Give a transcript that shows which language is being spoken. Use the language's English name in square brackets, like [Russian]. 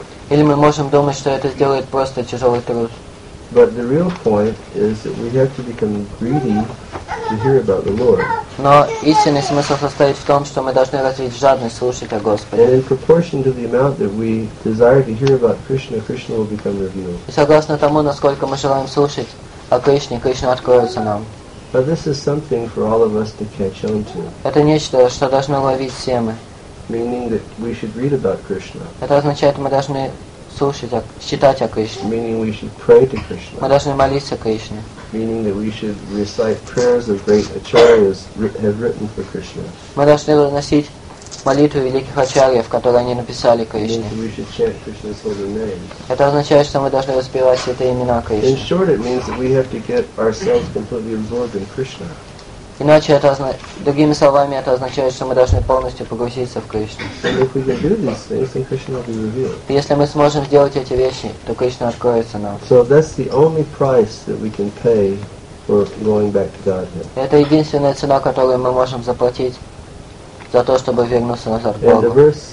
[Russian] Или мы можем думать, что это сделает просто тяжелый труд. [English] But the real point is that we have to become greedy to hear about the Lord. [Russian] Но истинный смысл состоит в том, что мы должны развить жадность слушать о Господе. [English] And in proportion to the amount that we desire to hear about Krishna, Krishna will become revealed. [Russian] И согласно тому, насколько мы желаем слушать о Кришне, Кришна откроется нам. [English] But this is something for all of us to catch on to. [Russian] Это нечто, что должны ловить все мы. [English] Meaning that we should read about Krishna. [Russian] Это означает, мы должны слушать, читать о Кришне. [English] Meaning we should pray to Krishna. [Russian] Мы должны молиться Кришне. [English] Meaning that we should recite prayers of great acharyas have written for Krishna. [Russian] Мы должны возносить молитву великих ачарьев, которые они написали Кришне. [English] We should chant Krishna's holy names. [Russian] Это означает, что мы должны воспевать святые имена Кришны. [English] In short, it means that we have to get ourselves completely absorbed in Krishna. [Russian] Иначе это означает, другими словами, это означает, что мы должны полностью погрузиться в Кришну. Если мы сможем сделать эти вещи, то Кришна откроется нам. Это единственная цена, которую мы можем заплатить за то, чтобы вернуться назад к Богу.